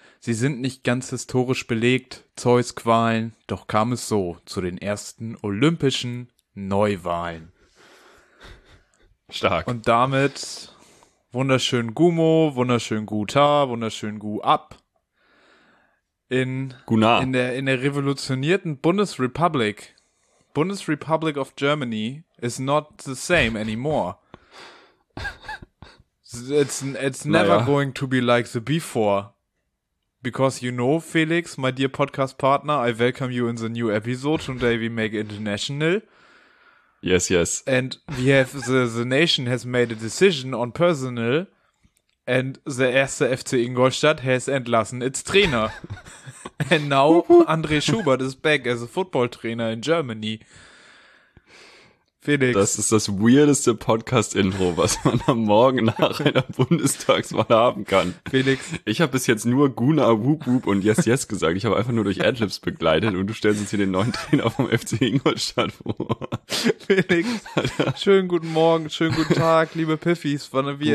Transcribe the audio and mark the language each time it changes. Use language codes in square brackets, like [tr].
[de] Sie sind nicht ganz historisch belegt, Zeus Qualen, doch kam es so zu den ersten olympischen Neuwahlen. Stark. Und damit wunderschön Gumo, wunderschön Guta, wunderschön Gu ab. In der revolutionierten Bundesrepublik. [en] Bundesrepublic of Germany is not the same anymore. It's never going to be like the before. Because you know, Felix, my dear podcast partner, I welcome you in the new episode. Today we make international. Yes, yes. And we have the nation has made a decision on personnel. And the erste FC Ingolstadt has [de] entlassen [en] its trainer. And now André Schubert is back as a football trainer in Germany. Felix. [de] Das ist das weirdeste Podcast-Intro, was man am Morgen nach einer Bundestagswahl haben kann. Felix. Ich habe bis jetzt nur Guna Woop Woop und [en] Yes Yes [de] gesagt. Ich habe einfach nur durch Adlibs begleitet und du stellst uns hier den neuen Trainer vom FC Ingolstadt vor. Felix, schönen guten Morgen, schönen guten Tag, liebe Piffis, wann wie Guma.